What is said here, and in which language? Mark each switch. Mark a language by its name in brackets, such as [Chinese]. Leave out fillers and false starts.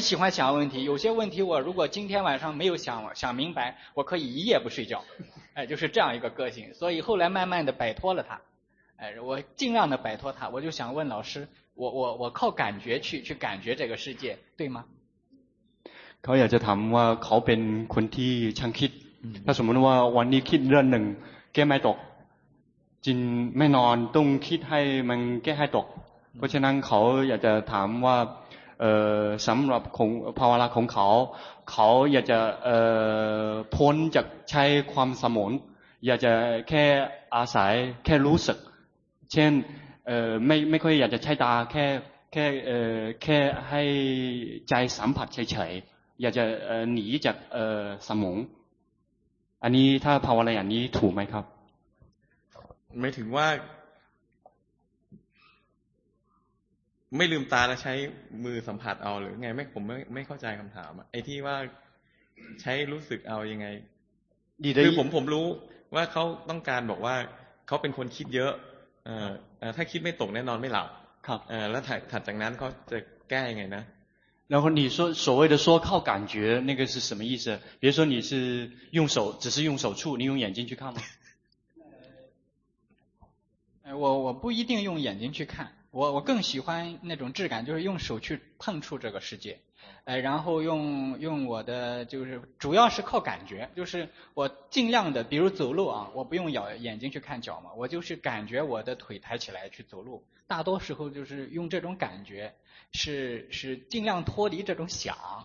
[Chinese] 想问题有些问题我如果今天晚上没有想明白我可以一夜不睡觉就是这样一个个性所以后来慢慢的摆脱了它我尽量的摆脱它我就想问老师我靠感觉去感觉这个世界对吗 [Thai] เขาอยากจะถามว่าเขาเป็นคนที่ช่างคิดถ้าสมมติว่าวันนี้คิดเรื่องหนึ่งแก้ไม่ตกจินไม่นอนต้องคิดให้มันแก้ให้ตกเพราะฉะนั้นเขาอยากจะถามว่าสำหรับของภาวนาของเขาอยากจะ พ้นจากใช้ความสมองอยากจะแค่อาศัยแค่รู้สึกเช่นไม่ค่อยอยากจะใช้ตาแค่ให้ใจสัมผัสเฉยอยากจะหนีจากสมองอันนี้ถ้าภาวนาอย่างนี้ถูกไหมครับ ไม่ถึงว่าไม่ลืมตาแล้วใช้มือสัมผัสเอาหรือไงไม่ผมไม่เข้าใจคำถามไอ้ที่ว่าใช้รู้สึกเอายังไง [Chinese] 你的 [Thai] ผมรู้ว่าเขาต้องการบอกว่าเขาเป็นคนคิดเยอะถ้าคิดไม่ตกแน่นอนไม่หลับ ครับ แล้วถัดจากนั้นเขาจะแก้ยังไงนะ [Chinese] 然后你说所谓的说靠感觉那个是什么意思比如说你是用手只是用手触你用眼睛去看吗我不一定用眼睛去看我更喜欢那种质感就是用手去碰触这个世界然后用我的就是主要是靠感觉就是我尽量的比如走路啊我不用眼睛去看脚嘛我就是感觉我的腿抬起来去走路大多时候就是用这种感觉是尽量脱离这种想